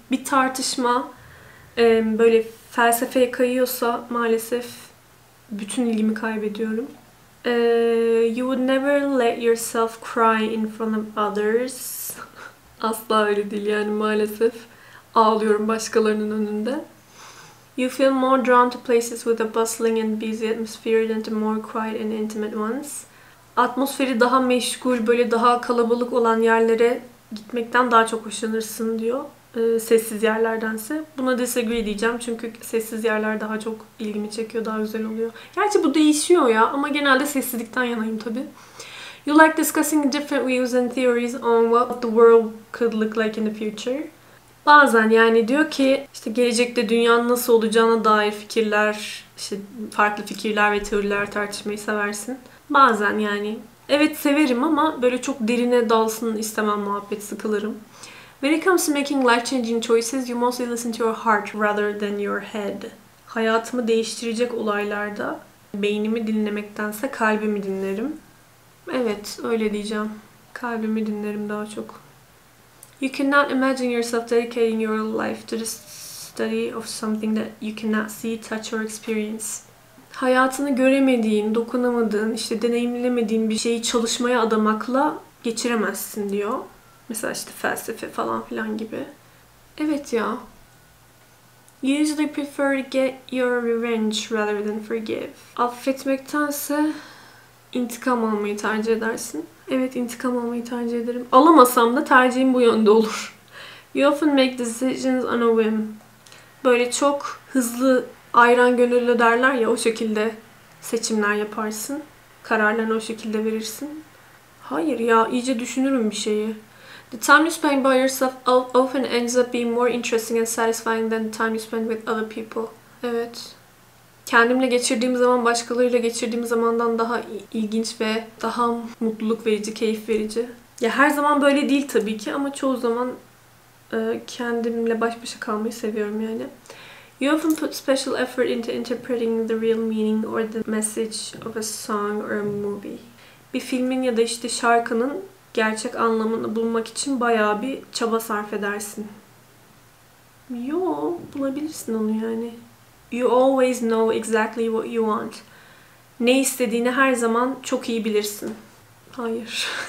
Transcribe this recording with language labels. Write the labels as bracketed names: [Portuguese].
[Turkish] Bir tartışma böyle felsefeye kayıyorsa maalesef bütün ilgimi kaybediyorum. [English] You would never let yourself cry in front of others. [Turkish] Asla öyle değil yani maalesef. Ağlıyorum başkalarının önünde. [English] You feel more drawn to places with a bustling and busy atmosphere than to more quiet and intimate ones. [Turkish] Atmosferi daha meşgul, böyle daha kalabalık olan yerlere gitmekten daha çok hoşlanırsın diyor. Sessiz yerlerdense. Buna disagree diyeceğim çünkü sessiz yerler daha çok ilgimi çekiyor, daha güzel oluyor. Gerçi bu değişiyor ya ama genelde sessizlikten yanayım tabii. [English] You like discussing different views and theories on what the world could look like in the future. [Turkish] Bazen yani diyor ki işte gelecekte dünyanın nasıl olacağına dair fikirler, işte farklı fikirler ve teoriler tartışmayı seversin. Bazen yani evet severim ama böyle çok derine dalsın istemem, muhabbet sıkılırım. [English] When it comes to making life-changing choices, you mostly listen to your heart rather than your head. [Turkish] Hayatımı değiştirecek olaylarda beynimi dinlemektense kalbimi dinlerim. Evet öyle diyeceğim. Kalbimi dinlerim daha çok. [English] You cannot imagine yourself dedicating your life to the study of something that you cannot see, touch or experience. [Turkish] Hayatını göremediğin, dokunamadığın, işte deneyimlemediğin bir şeyi çalışmaya adamakla geçiremezsin diyor. Mesela işte felsefe falan filan gibi. Evet ya. [English] You usually prefer to get your revenge rather than forgive. [Turkish] Affetmektense intikam almayı tercih edersin. Evet, intikam almayı tercih ederim. Alamasam da tercihim bu yönde olur. [English] You often make decisions on a whim. [Turkish] Böyle çok hızlı, ayran gönüllü derler ya, o şekilde seçimler yaparsın. Kararlarını o şekilde verirsin. Hayır ya, iyice düşünürüm bir şeyi. [English] The time you spend by yourself often ends up being more interesting and satisfying than the time you spend with other people. [Turkish] Evet. Kendimle geçirdiğim zaman başkalarıyla geçirdiğim zamandan daha ilginç ve daha mutluluk verici, keyif verici. Ya her zaman böyle değil tabii ki ama çoğu zaman kendimle baş başa kalmayı seviyorum yani. [English] You often put special effort into interpreting the real meaning or the message of a song or a movie. [Turkish] Bir filmin ya da işte şarkının gerçek anlamını bulmak için bayağı bir çaba sarf edersin. Yo, bulabilirsin onu yani. [English] You always know exactly what you want. [Turkish] Ne istediğini her zaman çok iyi bilirsin. Hayır.